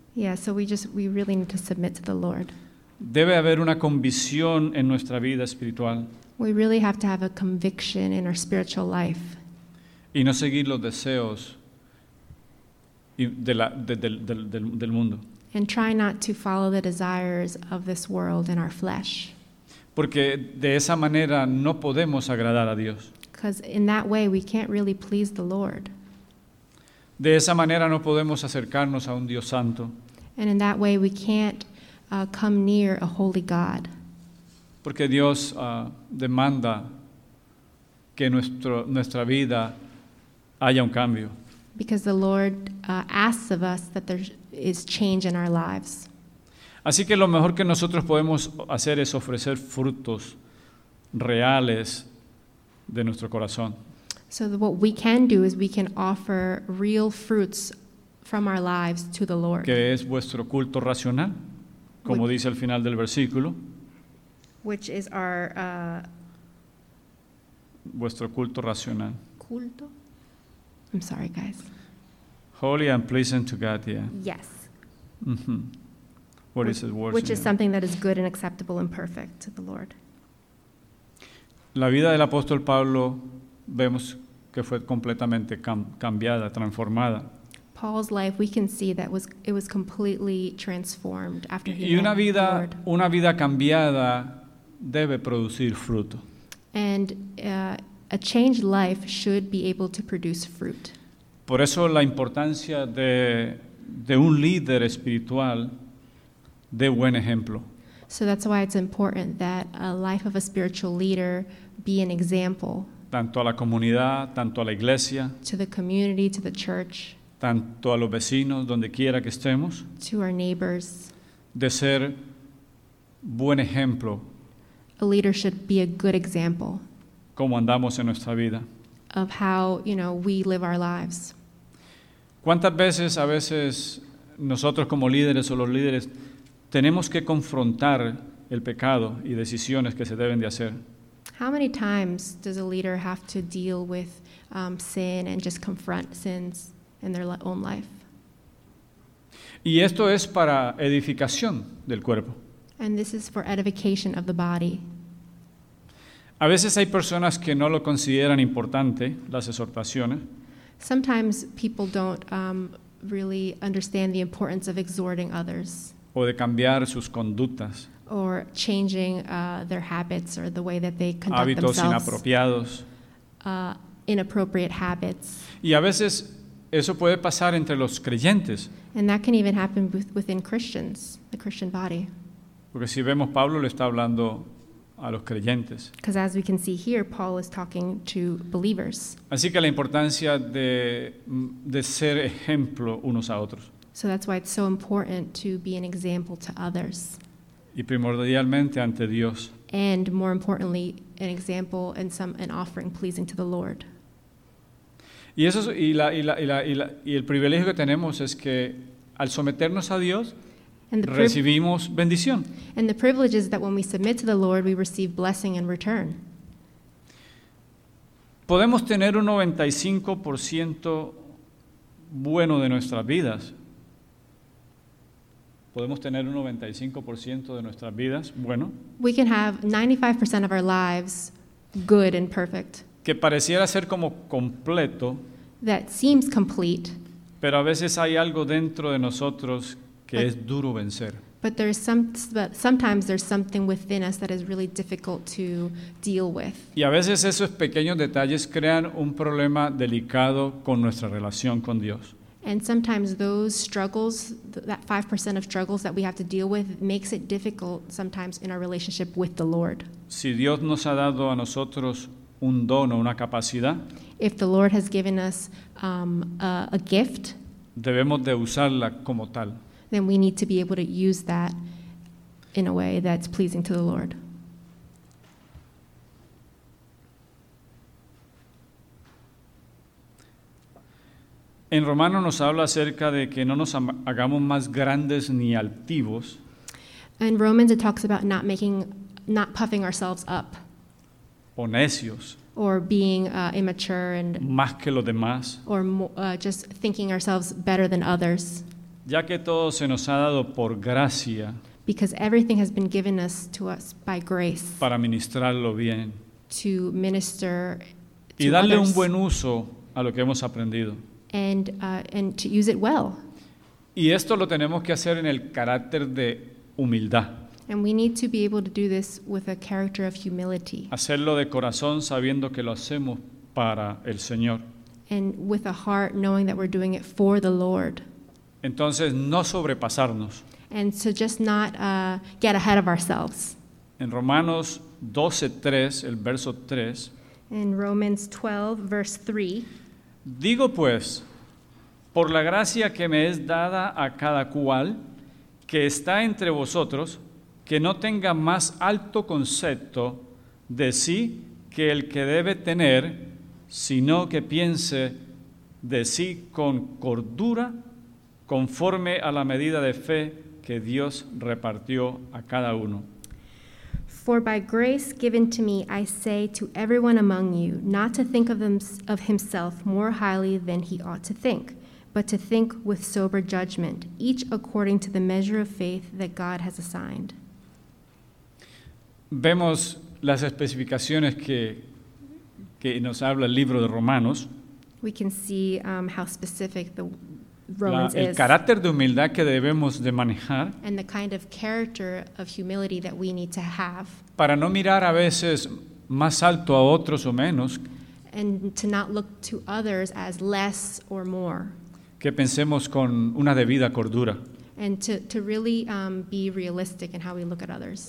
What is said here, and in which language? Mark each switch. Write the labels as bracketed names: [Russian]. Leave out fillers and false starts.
[English] Yeah, so we really need to submit to the Lord. [Spanish] Debe haber una convicción en nuestra vida espiritual. [English] We really have to have a conviction in our spiritual life. [Spanish] Y no seguir los deseos del mundo. [English] And try not to follow the desires of this world in our flesh. [Spanish] Porque de esa manera no podemos agradar a Dios. [English] Because in that way we can't really please the Lord. [Spanish] De esa manera no podemos acercarnos a un Dios santo. [English] And in that way we can't come near a holy God. [Spanish] Porque Dios demanda que nuestra vida haya un cambio. [English] Because the Lord asks of us that there is change in our lives. [Spanish] Así que lo mejor que nosotros podemos hacer es ofrecer frutos reales de nuestro corazón. [English] So what we can do is we can offer real fruits from our lives to the Lord. [Spanish] Que es vuestro culto racional, como dice al final del versículo. [English] Which is our... [Spanish] vuestro culto racional. [English] Culto? I'm sorry, guys. Holy and pleasing to God, yeah. Yes. Mm-hmm. What which, is it worth? Which is something that is good and acceptable and perfect to the Lord. [Spanish] La vida del apóstol Pablo vemos que fue completamente cambiada, transformada. [English] Paul's life, we can see that it was completely transformed after he met the Lord. [Spanish] Y una vida cambiada debe producir fruto. [English] And a changed life should be able to produce fruit. [Spanish] Por eso la importancia de un líder espiritual de buen ejemplo. [English] So that's why it's important that a life of a spiritual leader be an example. [Spanish] Tanto a la comunidad, tanto a la iglesia. [English] To the community, to the church. [Spanish] Tanto a los vecinos, donde quiera que estemos. [English] To our neighbors. [Spanish] De ser buen ejemplo. [English] A leader should be a good example. [Spanish] Cómo andamos en nuestra vida. [English] Of how, you know, we live our lives. [Spanish] ¿Cuántas veces a veces nosotros como líderes o los líderes tenemos que confrontar el pecado y decisiones que se deben de hacer? [English] How many times does a leader have to deal with sin and just confront sins in their own life? [Spanish] Y esto es para edificación del cuerpo. [English] And this is for edification of the body. [Spanish] A veces hay personas que no lo consideran importante, las exhortaciones. [English] Sometimes people don't really understand the importance of exhorting others. [Spanish] O de cambiar sus conductas. [English] Or changing their habits or the way that they conduct [Spanish] hábitos [English] themselves. [Spanish] Hábitos inapropiados. [English] Inappropriate habits. [Spanish] Y a veces eso puede pasar entre los creyentes. [English] And that can even happen within Christians, the Christian body. [Spanish] Porque si vemos, Pablo le está hablando a los creyentes. [English] Because as we can see here, Paul is talking to believers. [Spanish] Así que la importancia de ser ejemplo unos a otros. [English] So that's why it's so important to be an example to others. [Spanish] Y primordialmente ante Dios. [English] And more importantly, an example and an offering pleasing to the Lord. [Spanish] Y eso y el privilegio que tenemos es que al someternos a Dios recibimos bendición. [English] And the privilege is that when we submit to the Lord, we receive blessing in return. [Spanish] Podemos tener un 95% bueno de nuestras vidas. Podemos tener un 95% de nuestras vidas bueno. [English] We can have 95% of our lives good and perfect. [Spanish] Que pareciera ser como completo. [English] That seems complete. [Spanish] Pero a veces hay algo dentro de nosotros que es duro vencer. [English] But sometimes there's something within us that is really difficult to deal with. [Spanish] Y a veces esos pequeños detalles crean un problema delicado con nuestra relación con Dios. [English] And sometimes those struggles, that 5% of struggles that we have to deal with, makes it difficult sometimes in our relationship with the Lord. [Spanish] Si Dios nos ha dado a nosotros un don o una capacidad, [English] if the Lord has given us a gift, [Spanish] debemos de usarla como tal. [English] Then we need to be able to use that in a way that's pleasing to the Lord. [Spanish] En Romano nos habla acerca de que no nos hagamos más grandes ni altivos. [English] In Romans it talks about not puffing ourselves up. [Spanish] O necios. [English] Or being immature and [Spanish] más que los demás. [English] Or just thinking ourselves better than others. [Spanish] Ya que todo se nos ha dado por gracia. [English] Because everything has been given us to us by grace. [Spanish] Para ministrarlo bien. [English] To minister to [Spanish] y darle [English] others. [Spanish] Un buen uso a lo que hemos aprendido. [English] And to use it well. [Spanish] Y esto lo tenemos que hacer en el carácter de humildad. [English] And we need to be able to do this with a character of humility. [Spanish] Hacerlo de corazón sabiendo que lo hacemos para el Señor. [English] And with a heart knowing that we're doing it for the Lord. [Spanish] Entonces no sobrepasarnos. [English] And so just not get ahead of ourselves. [Spanish] En Romanos 12:3, el verso 3. [English] In Romans 12, verse 3. [Spanish] Digo pues, por la gracia que me es dada a cada cual que está entre vosotros, que no tenga más alto concepto de sí que el que debe tener, sino que piense de sí con cordura, conforme a la medida de fe que Dios repartió a cada uno. [English] For by grace given to me, I say to everyone among you, not to think of himself more highly than he ought to think, but to think with sober judgment, each according to the measure of faith that God has assigned. [Spanish] Vemos las especificaciones que nos habla el libro de Romanos. [English] We can see how specific the Romans [Spanish] el [English] is. [Spanish] Carácter de humildad que debemos de manejar. [English] And the kind of character of humility that we need to have. [Spanish] Para no mirar a veces más alto a otros o menos. [English] And to not look to others as less or more. [Spanish] Que pensemos con una debida cordura. [English] And to really be realistic in how we look at others.